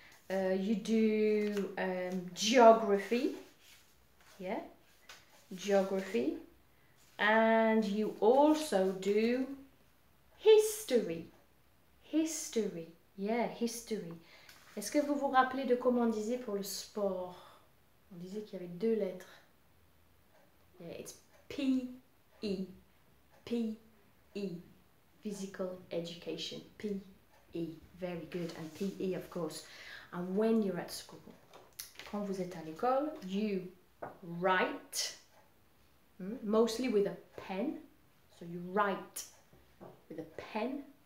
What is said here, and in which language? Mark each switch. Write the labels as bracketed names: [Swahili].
[English] You do geography, yeah, geography, and you also do history, history, yeah, history. [French] Est-ce que vous vous rappelez de comment on disait pour le sport? On disait qu'il y avait deux lettres. [English] Yeah, it's P-E, P-E, physical education, P-E, very good, and P-E of course. And when you're at school, [French] quand vous êtes à l'école, [English] you write, mostly with a pen, so you write with a pen.